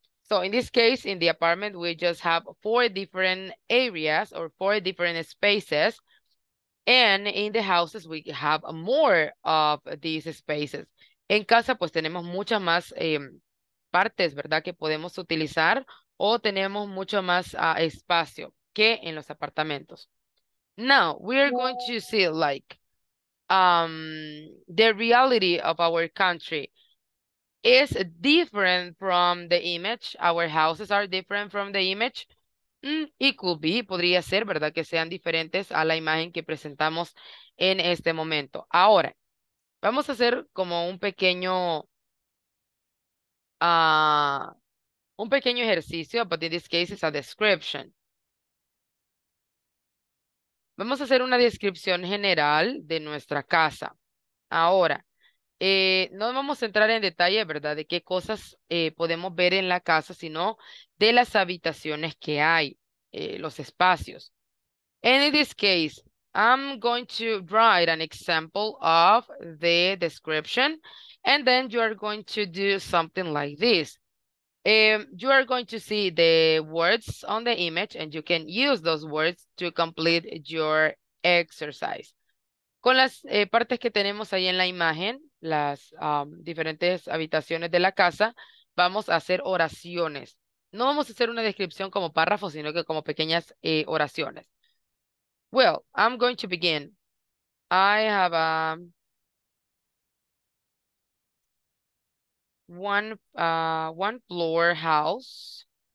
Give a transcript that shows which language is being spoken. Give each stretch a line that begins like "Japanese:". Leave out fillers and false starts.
English: So in this case, in the apartment, we just have four different areas or four different spaces. And in the houses, we have more of these spaces.
Spanish: En casa, pues tenemos muchas más partes, ¿verdad?, que podemos utilizar o tenemos mucho más espacio que en los apartamentos.
English: Now, we are going to see the reality of our country is different from the image. Our houses are different from the image. It could be,
Spanish: podría ser, ¿verdad?, que sean diferentes a la imagen que presentamos en este momento. Ahora, vamos a hacer como un pequeño ejercicio,
English: but in this case it's a description.
Spanish: Vamos a hacer una descripción general de nuestra casa. Ahora, no vamos a entrar en detalle, ¿verdad?, de qué cosas podemos ver en la casa, sino de las habitaciones que hay, los espacios.
English: And in this case, I'm going to write an example of the description, and then you are going to do something like this. You are going to see the words on the image and you can use those words to complete your exercise.
Spanish: Con las partes que tenemos ahí en la imagen, las diferentes habitaciones de la casa, vamos a hacer oraciones. No vamos a hacer una descripción como párrafo, sino que como pequeñas oraciones.
English: Well, I'm going to begin. I have one floor house.